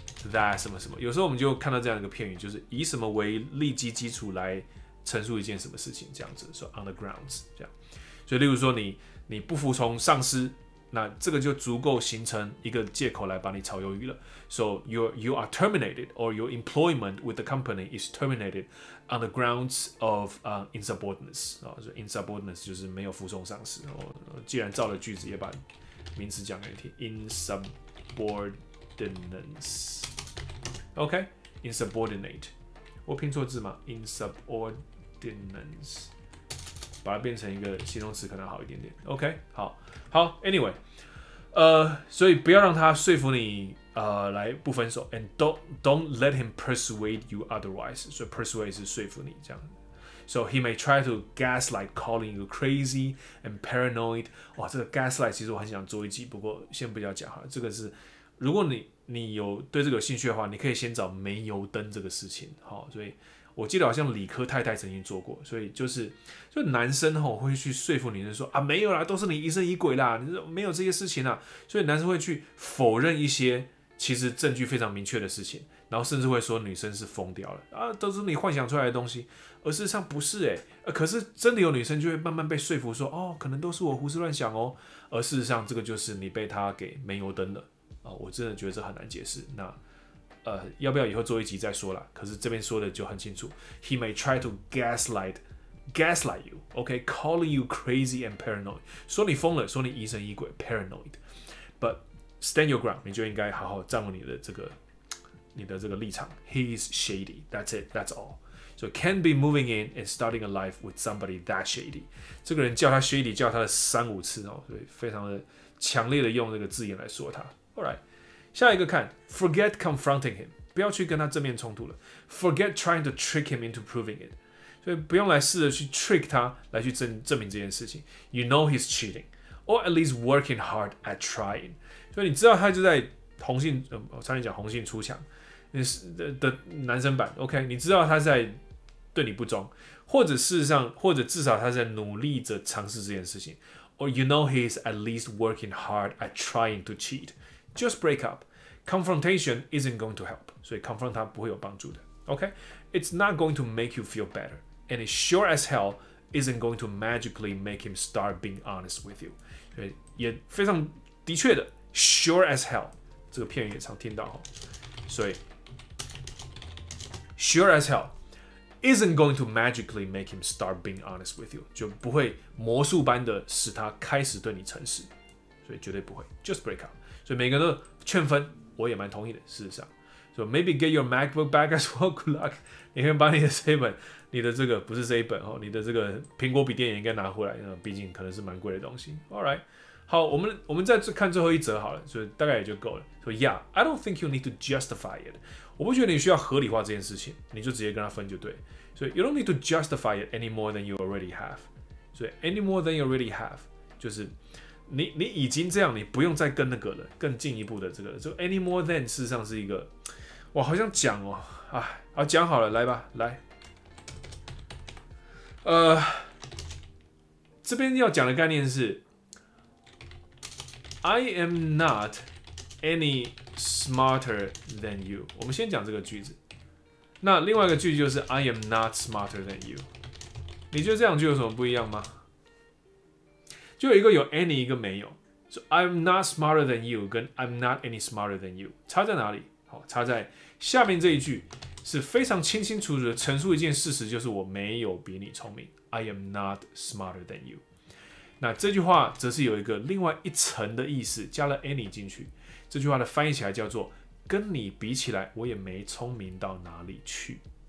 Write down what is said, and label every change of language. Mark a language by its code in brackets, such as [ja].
[zh] That 什么什么，有时候我们就看到这样一个片语，就是以什么为立基基础来陈述一件什么事情，这样子说 on the grounds 这样。所以，例如说你不服从上司，那这个就足够形成一个借口来把你炒鱿鱼了。 [en] So you are terminated or your employment with the company is terminated on the grounds of insubordinate [zh] 啊，所以 insubordinate 就是没有服从上司。既然造了句子，也把名词讲给你听 insubordinate。 OK, insubordinate. 我拼错字吗 ？Insubordinate， 把它变成一个形容词可能好一点点。 OK， 好，好。Anyway， 所以不要让他说服你，来不分手。 [en] And don't let him persuade you otherwise. [zh] 所以 persuade 是说服你这样。 [en] So he may try to gaslight, calling you crazy and paranoid. [zh] 哇，这个 gaslight 其实我很想做一集，不过先不要讲哈。这个是。如果你有对这个有兴趣的话，你可以先找煤油灯这个事情。好，所以我记得好像理科太太曾经做过，所以就男生吼会去说服女生说啊没有啦，都是你疑神疑鬼啦，你没有这些事情啦，所以男生会去否认一些其实证据非常明确的事情，然后甚至会说女生是疯掉了啊，都是你幻想出来的东西，而事实上不是哎，可是真的有女生就会慢慢被说服说哦，可能都是我胡思乱想哦，而事实上这个就是你被他给煤油灯了。我真的觉得这很难解释。那，要不要以后做一集再说啦？可是这边说的就很清楚 ， [en] He may try to gaslight you, okay, calling you crazy and paranoid， [zh] 说你疯了，说你疑神疑鬼 ，paranoid。 [en] But stand your ground， [zh] 你就应该好好站稳你的这个立场。 [en] He is shady. That's it. That's all. So can be moving in and starting a life with somebody that shady。 [zh] 这个人叫他 shady， 叫他了三五次哦，所以非常的强烈的用这个字眼来说他。 Alright, 下一个看 ， [en] forget confronting him， [zh] 不要去跟他正面冲突了 ， [en] forget trying to trick him into proving it， [zh] 所以不用来试着去 trick 他来去证明这件事情。 [en] You know he's cheating, or at least working hard at trying， [zh] 所以你知道他就在红杏，我差点讲红杏出墙，的男生版 ，OK， 你知道他在对你不忠，或者事实上，或者至少他在努力着尝试这件事情 ， [en] or you know he's at least working hard at trying to cheat。Just break up. Confrontation isn't going to help. So confront [zh] 他不会有帮助的 [en] Okay, it's not going to make you feel better, and it sure as hell isn't going to magically make him start being honest with you. [zh] 所以也非常的确的 sure as hell 这个片语也常听到哈。所以 sure as hell [en] isn't going to magically make him start being honest with you. [zh] 就不会魔术般的使他开始对你诚实。所以绝对不会。 [en] Just break up. [zh] 所以每个人都劝分，我也蛮同意的，事实上。 [en] So maybe get your MacBook back as well. Good luck. [zh] 你可以把你的这一本，你的这个不是这一本，你的这个苹果笔电也应该拿回来，毕竟可能是蛮贵的东西。 [en] Alright. [zh] 好，我们再看最后一则好了，所以大概也就够了。 [en] 说 ，Yeah, I don't think you need to justify it. [zh] 我不觉得你需要合理化这件事情，你就直接跟他分就对。 [en] 所以 ，You don't need to justify it any more than you already have. [zh] 所以 ，any more than you already have 就是你已经这样，你不用再跟那个了，更进一步的这个。就 any more than 事实上是一个，哇，好像讲哦，哎，好讲好了，来吧，来，这边要讲的概念是。 [en] I am not any smarter than you. [zh] 我们先讲这个句子。那另外一个句子就是 [en] I am not smarter than you. [zh] 你觉得这两句有什么不一样吗？就有一个有 any， 一个没有。 [en] So I'm not smarter than you 跟 I'm not any smarter than you [zh] 差在哪里？好，差在下面这一句是非常清清楚楚的陈述一件事实，就是我没有比你聪明。 [en] I am not smarter than you. [zh] 那这句话则是有一个另外一层的意思，加了 any 进去，这句话的翻译起来叫做跟你比起来我也没聪明到哪里去。